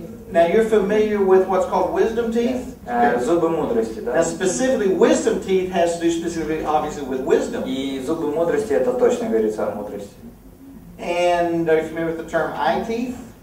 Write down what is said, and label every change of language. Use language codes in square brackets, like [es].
[en] Now you're familiar with what's called wisdom teeth? [ru] Зубы мудрости, да. [en] Now specifically wisdom teeth has to do specifically obviously with wisdom. [ru] И зубы мудрости это точно говорится о мудрости. [en] And are you familiar with the term eye teeth?